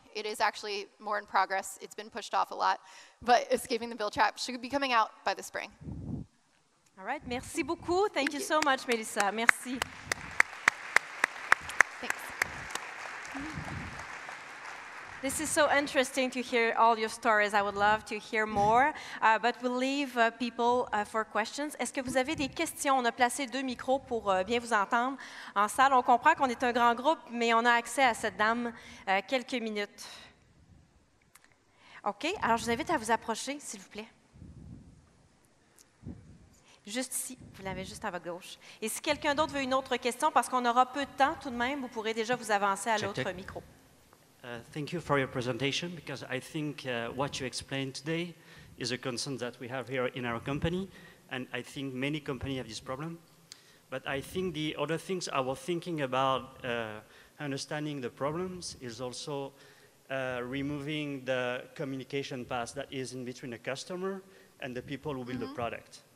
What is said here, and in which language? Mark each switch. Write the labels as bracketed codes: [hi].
[en] It is actually more in progress. It's been pushed off a lot. But Escaping the Build Trap should be coming out by the spring. All right. [fr] Merci beaucoup. [en] Thank you so much, Melissa. Merci. Thanks. This is so interesting to hear all your stories. I would love to hear more. But we'll leave people for questions. [fr] Est-ce que vous avez des questions? On a placé deux micros pour bien vous entendre en salle. On comprend qu'on est un grand groupe, mais on a accès à cette dame quelques minutes. OK, alors je vous invite à vous approcher, s'il vous plaît. Juste ici, vous l'avez juste à votre gauche. Et si quelqu'un d'autre veut une autre question, parce qu'on aura peu de temps tout de même, vous pourrez déjà vous avancer à l'autre micro. [en] Thank you for your presentation, because I think what you explained today is a concern that we have here in our company, and I think many companies have this problem. But I think the other things I was thinking about understanding the problems is also removing the communication path that is in between the customer and the people who build mm-hmm. the product.